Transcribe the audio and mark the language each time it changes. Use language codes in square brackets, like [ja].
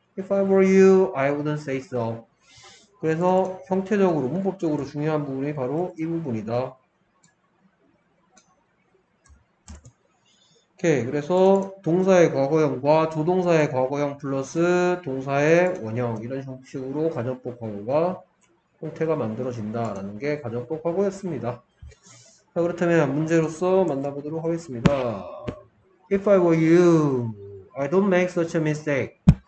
[en] If I were you, I wouldn't say so. [ko] 그래서 형태적으로, 문법적으로 중요한 부분이 바로 이 부분이다. 오케이, 그래서 동사의 과거형과 조동사의 과거형 플러스 동사의 원형 이런 형식으로 가정법 과거가 형태가 만들어진다라는 게 가정법 과거였습니다. 자, 그렇다면 문제로서 만나보도록 하겠습니다. [en] If I were you, I don't make such a mistake.